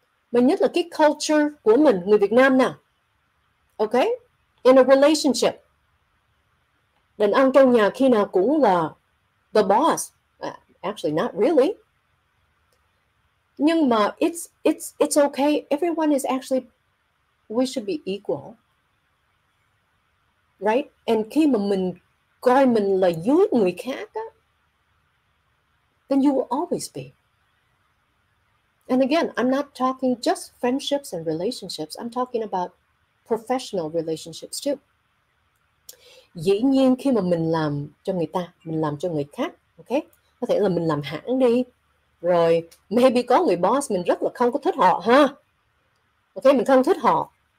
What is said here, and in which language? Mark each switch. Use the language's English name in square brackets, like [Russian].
[Vietnamese] Mà nhất là cái culture của mình, người Việt Nam nào. Okay? [English] In a relationship. [Vietnamese] Đàn ông trong nhà khi nào cũng là [English] the boss, actually not really. [Vietnamese] Nhưng mà [English] it's okay. Everyone is actually, we should be equal, right? [Vietnamese] And khi mà mình coi mình là dưới người khác á, [English] then you will always be. And again, I'm not talking just friendships and relationships. I'm talking about professional relationships too. [Vietnamese] Dĩ nhiên khi mà mình làm cho người ta, mình làm cho người khác, ok? Có thể là mình làm hãng đi, rồi maybe có người boss mình rất là không có thích họ ha. Ok, mình không thích họ.